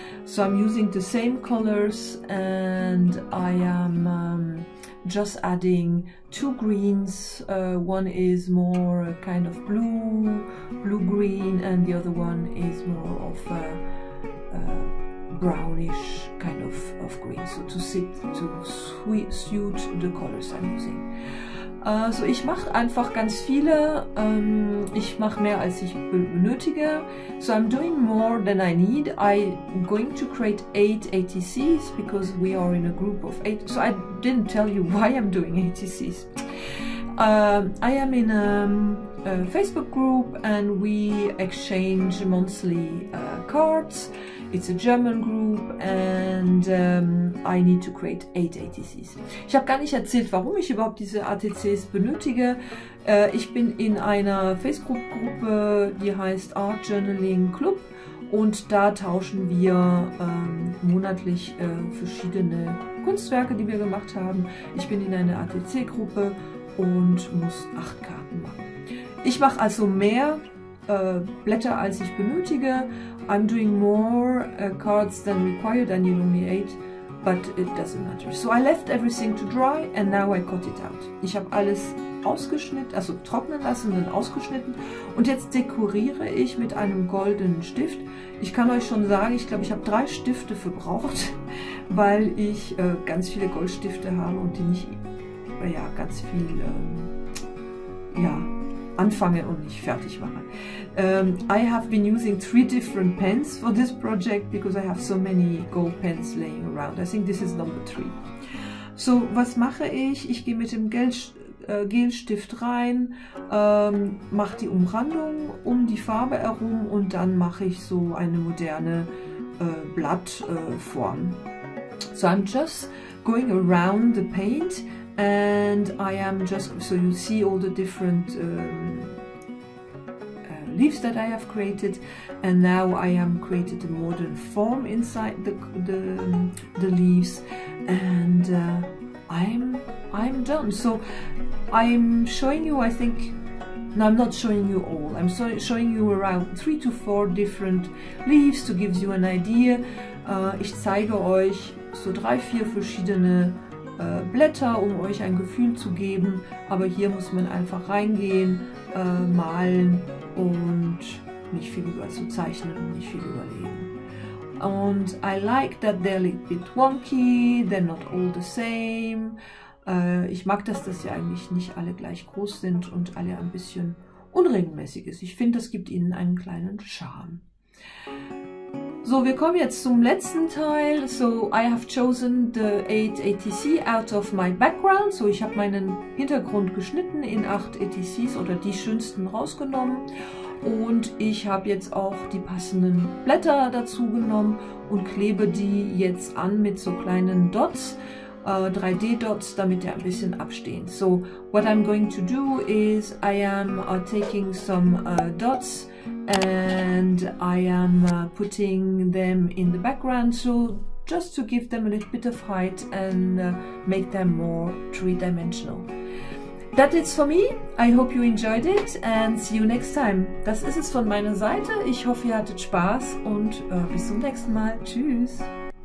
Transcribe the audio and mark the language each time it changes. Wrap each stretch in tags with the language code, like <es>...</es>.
<en>So I'm using the same colors and I am just adding two greens. One is more kind of blue-green and the other one is more of a brownish kind of green, so to suit the colors I'm using.</en> <de>So ich mache einfach ganz viele, ich mache mehr als ich benötige.</de> <en>So I'm doing more than I need. I'm going to create 8 ATCs because we are in a group of 8. So I didn't tell you why I'm doing ATCs. I am in a Facebook group and we exchange monthly cards. it's a German group and I need to create 8 ATCs.</en> <de>Ich habe gar nicht erzählt, warum ich überhaupt diese ATCs benötige. Ich bin in einer Facebook-Gruppe, die heißt Art Journaling Club, und da tauschen wir monatlich verschiedene Kunstwerke, die wir gemacht haben. Ich bin in einer ATC-Gruppe und muss 8 Karten machen. Ich mache also mehr Blätter, als ich benötige.</de> <en>I'm doing more cards than required. I need only 8, but it doesn't matter. So I left everything to dry and now I cut it out.</en> <de>Ich habe alles ausgeschnitten, also trocknen lassen und dann ausgeschnitten. Und jetzt dekoriere ich mit einem goldenen Stift. Ich kann euch schon sagen, ich glaube, ich habe 3 Stifte verbraucht, weil ich ganz viele Goldstifte habe und die nicht ganz viel anfange und nicht fertig mache.</de> <en>I have been using 3 different pens for this project because I have so many gold pens laying around. I think this is number 3. So,</en> <de>was mache ich? Ich gehe mit dem Gelstift rein, mache die Umrandung um die Farbe herum und dann mache ich so eine moderne Blattform.</de> <en>So I'm just going around the paint and I am just, so you see all the different leaves that I have created, and now I am created a modern form inside the leaves, and I'm done. So I'm showing you, I think, no, I'm not showing you all, I'm showing you around 3 to 4 different leaves to give you an idea.</en> <de>Ich zeige euch so 3, 4 verschiedene Blätter, um euch ein Gefühl zu geben, aber hier muss man einfach reingehen, malen und nicht viel über zu zeichnen und nicht viel überlegen.</de> <en>And I like that they're a bit wonky, they're not all the same.</en> <de>Ich mag das, dass sie eigentlich nicht alle gleich groß sind und alle ein bisschen unregelmäßig ist. Ich finde, das gibt ihnen einen kleinen Charme. So, wir kommen jetzt zum letzten Teil.</de> <en>So, I have chosen the 8 ATC out of my background.</en> <de>So, ich habe meinen Hintergrund geschnitten in 8 ATCs oder die schönsten rausgenommen. Und ich habe jetzt auch die passenden Blätter dazu genommen und klebe die jetzt an mit so kleinen Dots, 3D-Dots, damit die ein bisschen abstehen.</de> <en>So, what I'm going to do is, I am taking some dots and I am putting them in the background, so just to give them a little bit of height and make them more three-dimensional. That is for me. I hope you enjoyed it and see you next time.</en> <de>Das ist es von meiner Seite. Ich hoffe, ihr hattet Spaß und bis zum nächsten Mal. Tschüss!</de>